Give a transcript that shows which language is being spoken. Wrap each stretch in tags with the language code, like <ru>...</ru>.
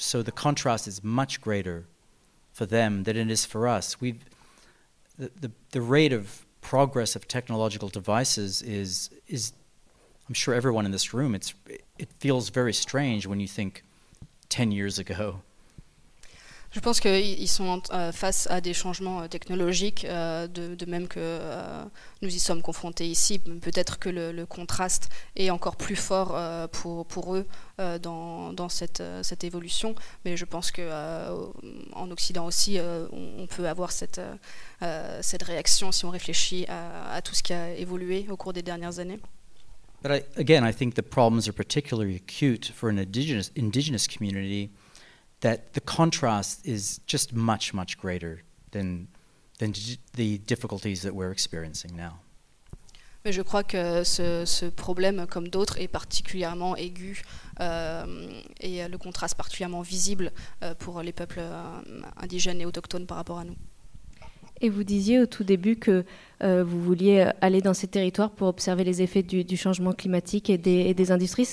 <en>So the contrast is much greater for them than it is for us. The rate of progress of technological devices is, I'm sure everyone in this room, it feels very strange when you think 10 years ago.</en> <fr>Je pense qu'ils sont face à des changements technologiques, de même que nous y sommes confrontés ici. Peut-être que le contraste est encore plus fort pour eux dans cette évolution. Mais je pense qu'en Occident aussi, on peut avoir cette réaction si on réfléchit à tout ce qui a évolué au cours des dernières années.</fr> <en>But I think the problems are particularly acute for an indigenous community. That the contrast is just much, much greater than the difficulties that we're experiencing now.</en> <fr>Mais je crois que ce problème, comme d'autres, est particulièrement aigu et le contraste particulièrement visible pour les peuples indigènes et autochtones par rapport à nous. Et vous disiez au tout début que vous vouliez aller dans ces territoires pour observer les effets du changement climatique et des industries.</fr>